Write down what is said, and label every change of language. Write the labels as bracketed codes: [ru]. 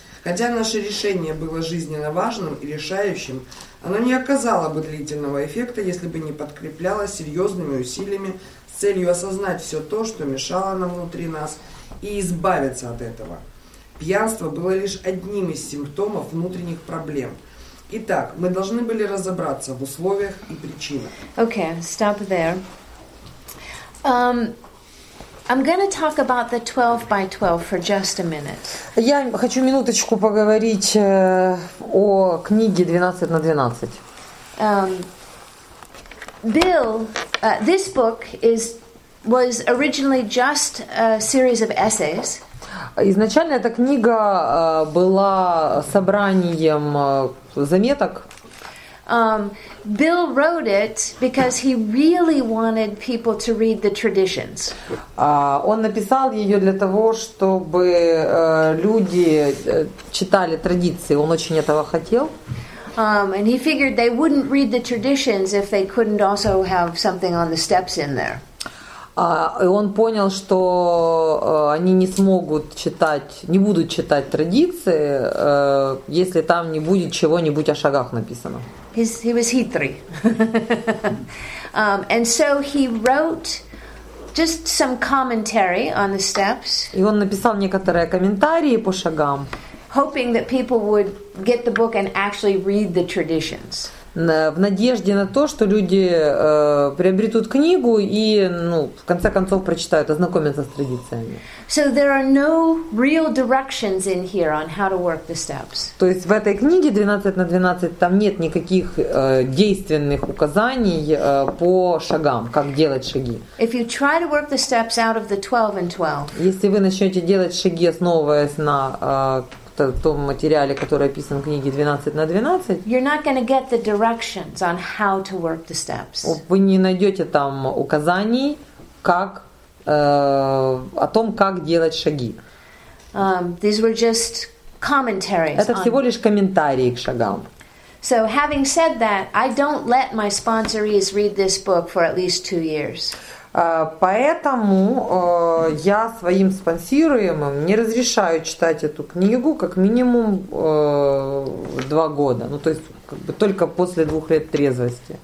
[ru] Хотя наше решение было жизненно важным и решающим, оно не оказало бы длительного эффекта, если бы не подкреплялось серьезными усилиями с целью осознать все то, что мешало нам внутри нас, и избавиться от этого. Пьянство было лишь одним из симптомов внутренних проблем. Итак, мы должны были разобраться в условиях и причинах. [en] Okay, stop there. I'm going to talk about the 12 by 12 for just a minute. [ru] Я хочу минуточку поговорить о книге 12 на 12. [en] Bill, this book was originally just a series of essays. [ru] Изначально эта книга была собранием заметок. [en] Bill wrote it because he really wanted people to read the traditions. [ru] Он написал ее для того, чтобы люди читали традиции. Он очень этого хотел. [en] And he figured they wouldn't read the traditions if they couldn't also have something on the steps in there. [ru] И он понял, что они не смогут читать, не будут читать традиции, если там не будет чего-нибудь о шагах написано. [en] He was hitri. And so he wrote just some commentary on the steps. [ru] И он написал некоторые комментарии по шагам. [en] Hoping that people would get the book and actually read the traditions. [ru] В надежде на то, что люди приобретут книгу и, ну, в конце концов, прочитают, ознакомятся с традициями. [en] So there are no real directions in here on how to work the steps. [ru] То есть в этой книге 12 на 12 там нет никаких действенных указаний по шагам, как делать шаги. [en] If you try to work the steps out of the 12 and 12. [ru] Если вы начнете делать шаги, основываясь на в том материале, который описан в книге 12 на 12, [en] you're not going to get the directions on how to work the steps. [ru] Вы не найдете там указаний, как, о том, как делать шаги. [en] These were just commentaries. [ru] Это всего лишь комментарии к шагам. [en] So, having said that, I don't let my sponsorees read this book for at least 2 years. [ru] Поэтому я своим спонсируемым не разрешаю читать эту книгу как минимум 2 года. Ну, то есть, как бы, только после 2 лет трезвости.